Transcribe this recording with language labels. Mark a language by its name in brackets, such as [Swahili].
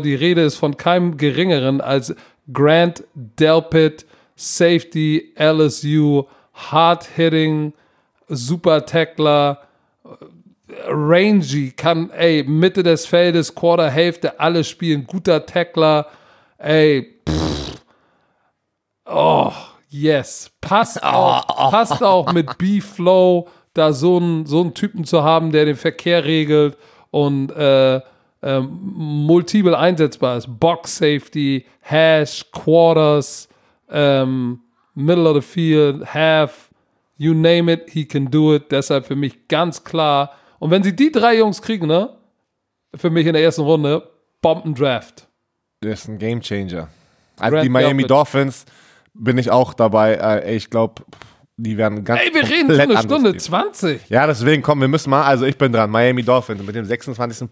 [German] Die Rede ist von keinem geringeren als Grant Delpit, Safety, LSU, Hard-Hitting, Super-Tackler, Rangy, kann Mitte des Feldes, Quarter-Hälfte, alles spielen, guter Tackler, oh, yes. Passt auch mit B-Flow, da so einen Typen zu haben, der den Verkehr regelt und multiple einsetzbar ist. [English] Box Safety, Hash, Quarters, Middle of the Field, Half, you name it, he can do it. [German] Deshalb für mich ganz klar. Und wenn sie die drei Jungs kriegen, ne, für mich in der ersten Runde, Bombendraft. Das ist ein Game Changer. Also die Miami Dolphins. Bin ich auch dabei. Ich glaube, die werden ganz. Wir reden schon eine Stunde 20. Ja, deswegen, komm, wir müssen mal. Also, ich bin dran. Miami Dolphins mit dem 26.